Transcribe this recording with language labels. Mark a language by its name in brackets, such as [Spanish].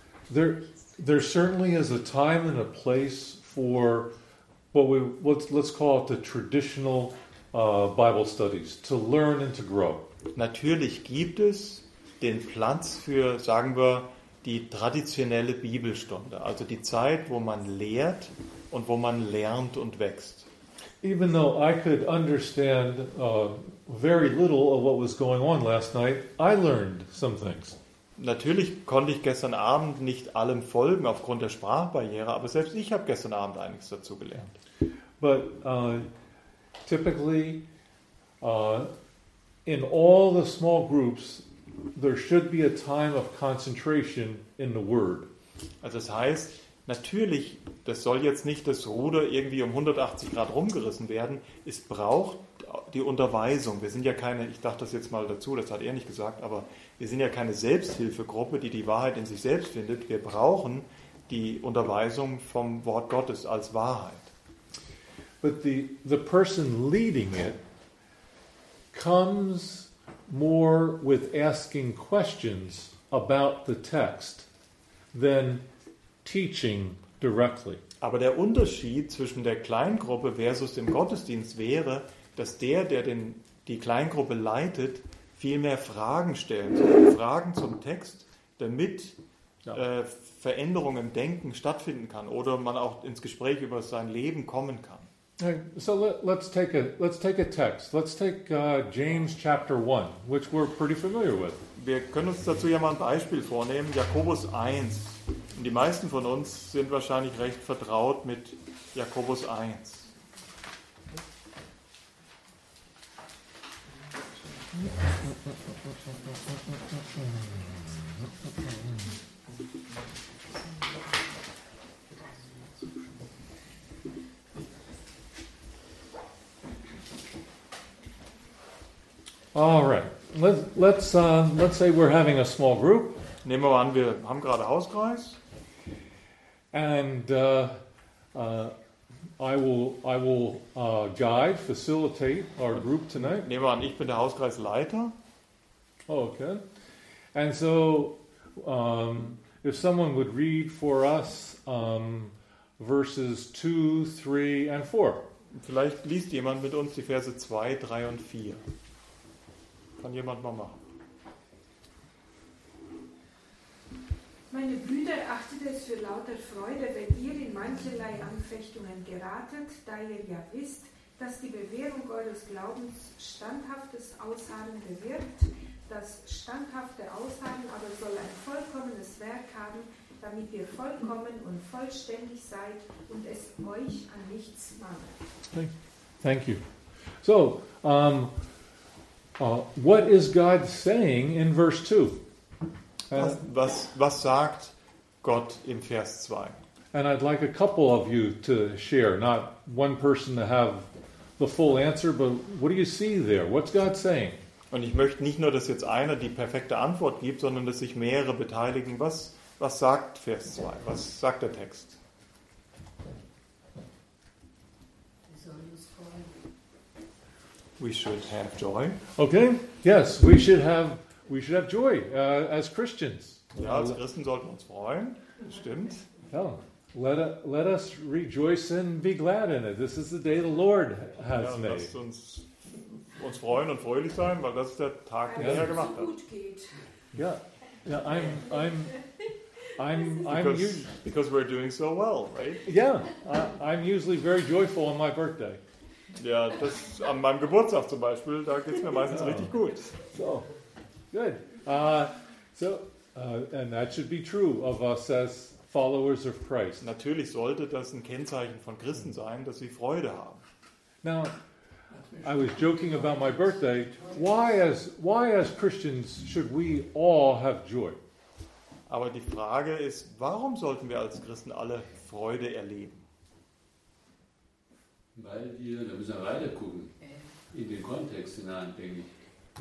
[English] There certainly is a time and a place for let's call it the traditional Bible studies, to learn and to grow. [German] Natürlich gibt es den Platz für, sagen wir, die traditionelle Bibelstunde, also die Zeit, wo man lehrt und wo man lernt und wächst. [English] Even though I could understand very little of what was going on last night, I learned some things. [German] Natürlich konnte ich gestern Abend nicht allem folgen aufgrund der Sprachbarriere, aber selbst ich habe gestern Abend einiges dazu gelernt. [English] But typically, in all the small groups, there should be a time of concentration in the word. [German] Also das heißt, natürlich, das soll jetzt nicht das Ruder irgendwie um 180 Grad rumgerissen werden. Es braucht die Unterweisung. Wir sind ja keine, ich dachte das jetzt mal dazu, das hat er nicht gesagt, aber wir sind ja keine Selbsthilfegruppe, die Wahrheit in sich selbst findet. Wir brauchen die Unterweisung vom Wort Gottes als Wahrheit. [English] But the person leading it comes more with asking questions about the text than teaching directly. [German] Aber der Unterschied zwischen der Kleingruppe versus dem Gottesdienst wäre, dass der die Kleingruppe leitet, viel mehr Fragen stellt, Fragen zum Text, damit Veränderung im Denken stattfinden kann oder man auch ins Gespräch über sein Leben kommen kann. [English] So let's take a text. Let's take James chapter 1, which we're pretty familiar with. [German] Wir können uns dazu ja mal ein Beispiel vornehmen, Jakobus 1. Und die meisten von uns sind wahrscheinlich recht vertraut mit Jakobus 1. [English] All right. Let's say we're having a small group. [German] Nehmen wir an, wir haben gerade Hauskreis. [English] And I will guide, facilitate our group tonight. [German] Nehmen wir an, ich bin der Hauskreisleiter. [English] Okay. And so if someone would read for us verses 2, 3 and 4. [German] Vielleicht liest jemand mit uns die Verse 2, 3 und 4. Kann jemand mal machen. Meine Brüder, achtet es für lauter Freude, wenn ihr in mancherlei Anfechtungen geratet, da ihr ja wisst, dass die Bewährung eures Glaubens standhaftes Ausharren bewirkt. Das standhafte Ausharren aber soll ein vollkommenes Werk haben, damit ihr vollkommen und vollständig seid und es euch an nichts mangelt. [English] Thank you. So, what is God saying in verse 2? [German] Was sagt Gott im Vers 2? [English] And I'd like a couple of you to share, not one person to have the full answer, but what do you see there? What's God saying? [German] Und ich möchte nicht nur, dass jetzt einer die perfekte Antwort gibt, sondern dass sich mehrere beteiligen. Was sagt Vers 2? Was sagt der Text? [English] We should have joy. Okay, yes, we should have joy as Christians. [German] Ja, als Christen sollten uns freuen. Das stimmt. [English] Yeah. Let us rejoice and be glad in it. This is the day the Lord has made. [German] Lasst uns freuen und fröhlich sein, weil das ist der Tag, den er gemacht hat. [English] Yeah. Yeah, I'm because we're doing so well, right? Yeah. I'm usually very joyful on my birthday. [German] Ja, das an meinem Geburtstag zum Beispiel, da geht's mir meistens richtig gut. [English] So. Good. And that should be true of us as followers of Christ. [German] Natürlich sollte das ein Kennzeichen von Christen sein, dass sie Freude haben. [English] Now, I was joking about my birthday. Why as Christians should we all have joy? [German] Aber die Frage ist, warum sollten wir als Christen alle Freude erleben? Weil wir, da müssen wir weiter gucken in den Kontext hinein, denke ich.